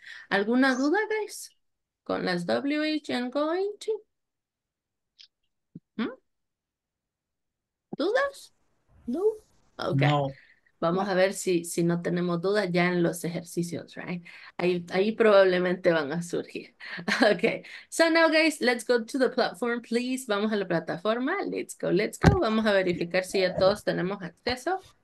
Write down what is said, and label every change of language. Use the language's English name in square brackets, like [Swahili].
[Spanish] ¿Alguna duda, guys? Con las WH and going to. ¿Dudas? No. Okay. No. Vamos a ver si no tenemos dudas ya en los ejercicios, right? Ahí probablemente van a surgir. Okay. [English] So now, guys, let's go to the platform, please. [Spanish] Vamos a la plataforma. [English] Let's go, let's go. [Spanish] Vamos a verificar si ya todos tenemos acceso.